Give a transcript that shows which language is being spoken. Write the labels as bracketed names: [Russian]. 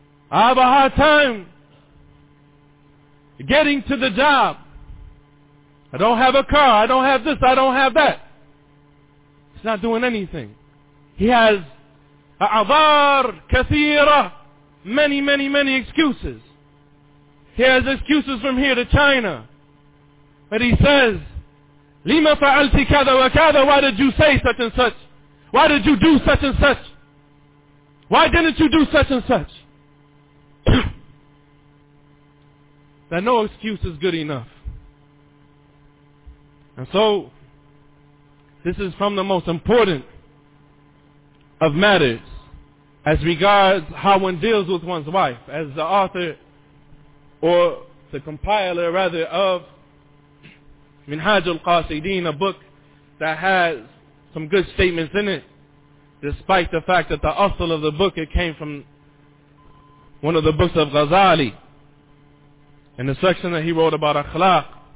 [English] I have a hard time getting to the job. I don't have a car. I don't have this. I don't have that. He's not doing anything. He has [Arabic] a'adhar kathira, [English] many, many, many excuses. He has excuses from here to China. But he says, [Arabic] لِمَ فَعَلْتِ كَذَا وَكَذَا. [English] Why did you say such and such? Why did you do such and such? Why didn't you do such and such? That no excuse is good enough. And so, this is from the most important of matters as regards how one deals with one's wife, as the author, or the compiler rather, of Minhaj al-Qasidin, a book that has some good statements in it, despite the fact that the asl of the book, it came from one of the books of Ghazali, in the section that he wrote about akhlaq.